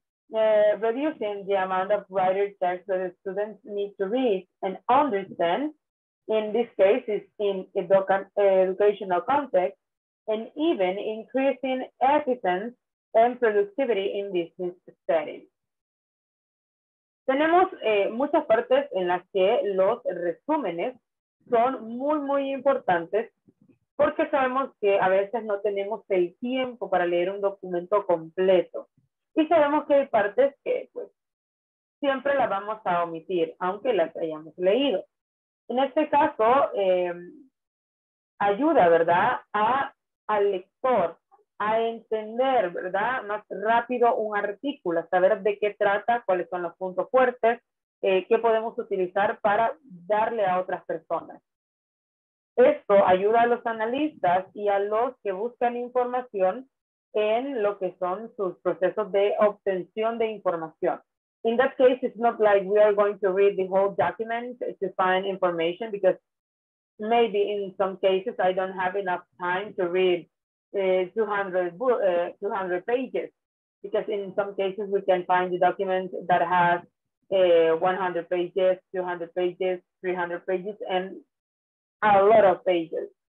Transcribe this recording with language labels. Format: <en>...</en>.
<en>reducing the amount of writer text that the students need to read and understand, in this case, it's in educational context, and even increasing efficiency and productivity in business settings.</en> <es>Tenemos muchas partes en las que los resúmenes son muy, muy importantes, porque sabemos que a veces no tenemos el tiempo para leer un documento completo. Y sabemos que hay partes que pues, siempre las vamos a omitir, aunque las hayamos leído. En este caso, ayuda, ¿verdad?, al lector a entender, ¿verdad?, más rápido un artículo, saber de qué trata, cuáles son los puntos fuertes, qué podemos utilizar para darle a otras personas. Esto ayuda a los analistas y a los que buscan información en lo que son sus procesos de obtención de información.</es> <en>In that case, it's not like we are going to read the whole document to find information, because maybe in some cases I don't have enough time to read 200 pages, because in some cases we can find the document that has 100 pages, 200 pages, 300 pages, and a lot of pages.</en>